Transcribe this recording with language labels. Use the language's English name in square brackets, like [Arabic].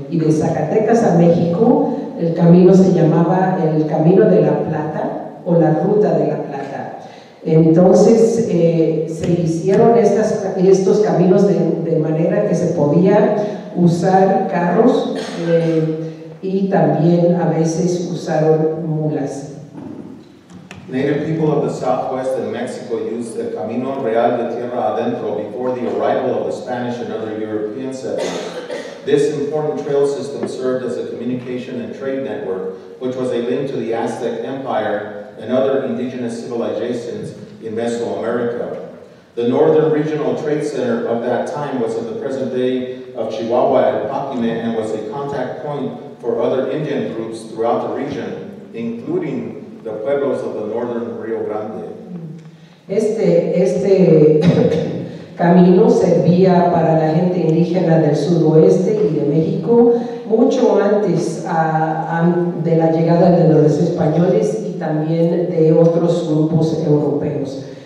[Spanish] Y de Zacatecas a México, el camino se llamaba el Camino de la Plata o la Ruta de la Plata. Entonces, se hicieron estos caminos de manera que se podía usar carros y también a veces usaron mulas. [English] Native people of the Southwest and Mexico used the Camino Real de Tierra Adentro before the arrival of the Spanish and other European settlers. This important trail system served as a communication and trade network, which was a link to the Aztec Empire and other indigenous civilizations in Mesoamerica. The northern regional trade center of that time was in the present day of Chihuahua and Pakime and was a contact point for other Indian groups throughout the region, including the pueblos of the northern Rio Grande. [Spanish] Este camino servía para la gente indígena del sudoeste y de México mucho antes de la llegada de los españoles y también de otros grupos europeos.